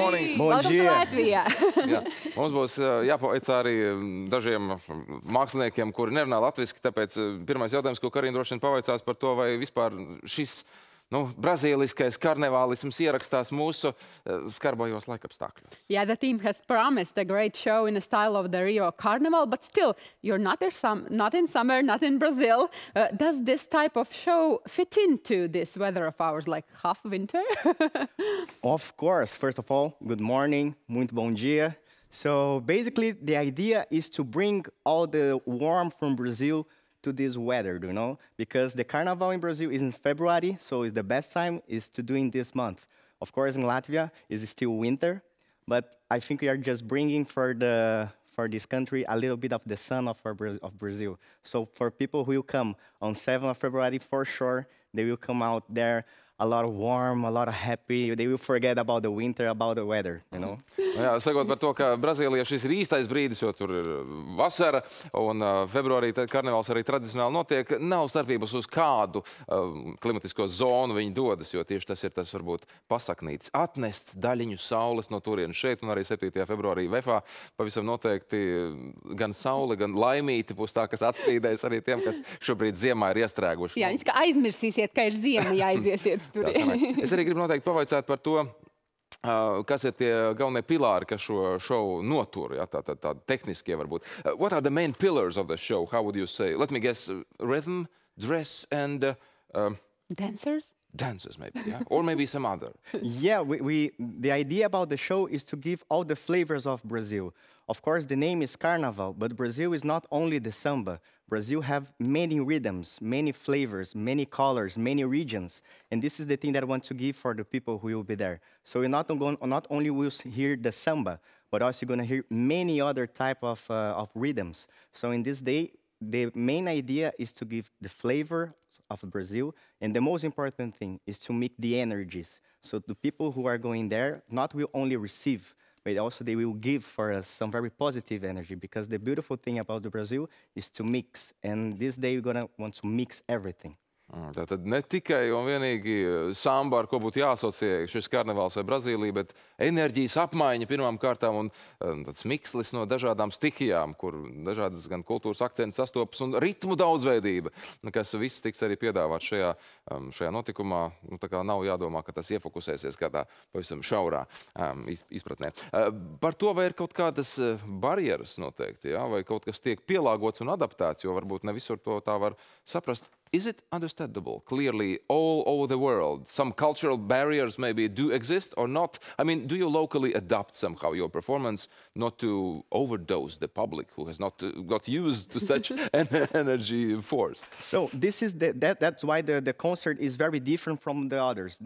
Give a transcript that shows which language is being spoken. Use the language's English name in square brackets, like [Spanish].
[English] Good morning! [Latvian] Mums būs jāpaveicā arī dažiem māksliniekiem, kuri nerunā latviski, tāpēc pirmais jautājums, ko Karina droši vien pavaicās par to, vai vispār šis Nu, brazīliskais karnevālisms ierakstās mūsu skarbojos laikapstākļos. [English] Yeah, the team has promised a great show in the style of the Rio Carnival, but still, you're not in summer, not in Brazil. Does this type of show fit into this weather of ours, like half winter? Of course. First of all, good morning, [Portuguese] muito bom dia. [English] So basically, the idea is to bring all the warmth from Brazil to this weather, you know, because the carnival in Brazil is in February, so it's the best time is to do in this month. Of course, in Latvia is still winter, but I think we are just bringing for this country a little bit of the sun of Brazil. So for people who will come on 7th of February, for sure, they will come out there a lot of warm, a lot of happy. They will forget about the winter, about the weather, you know. [Latvian] Jā, sakot par to, ka Brazīlijā šis ir īstais brīdis, jo tur ir vasara, un februārī karnevāls arī tradicionāli notiek. Nav starpības uz kādu klimatisko zonu viņi dodas, jo tieši tas ir tas varbūt pasaknīts. Atnest daļiņu saules no turienes šeit, un arī 7. Februārī VEFā pavisam noteikti gan saule, gan laimīti būs tā, kas atspīdēs arī tiem, kas šobrīd ziemā ir iestrēguši. Jā, viņš ka aizmirsīsiet, ka ir ziema, ja aiziesiet tur. Es arī gribu noteikti pavaicāt par to, kas ir tie galvenie pilāri, kas šo show notur, ja, tā tehniskie varbūt. [English] What are the main pillars of the show? How would you say? Let me guess, rhythm, dress and dancers? Dancers maybe, yeah? Or maybe some other. Yeah, we the idea about the show is to give all the flavors of Brazil. Of course, the name is Carnaval, but Brazil is not only the samba. Brazil have many rhythms, many flavors, many colors, many regions. And this is the thing that I want to give for the people who will be there. So you're not only will hear the samba, but also you're going to hear many other type of rhythms. So in this day, the main idea is to give the flavor of Brazil. And the most important thing is to make the energies. So the people who are going there not will only receive, but also they will give for us some very positive energy, because the beautiful thing about the Brazil is to mix. And this day we're gonna want to mix everything. [Latvian] Tātad ne tikai un vienīgi samba, ar ko būtu jāasociē šis karnevāls vai Brazīlija, bet enerģijas apmaiņa pirmām kārtām un tāds mikslis no dažādām stihijām, kur dažādas gan kultūras akcentas sastopas un ritmu daudzveidība, kas viss tiks arī piedāvāt šajā notikumā. Nu, tā kā nav jādomā, ka tas iefokusēsies kādā pavisam šaurā izpratnē. Par to vai ir kaut kādas barjeras noteikti, ja? Vai kaut kas tiek pielāgots un adaptēts, jo varbūt ne visur to tā var saprast. [English] Is it understandable? Clearly, all over the world, some cultural barriers maybe do exist or not. I mean, do you locally adapt somehow your performance not to overdose the public who has not got used to such an energy force? So this is that's why the concert is very different from the others.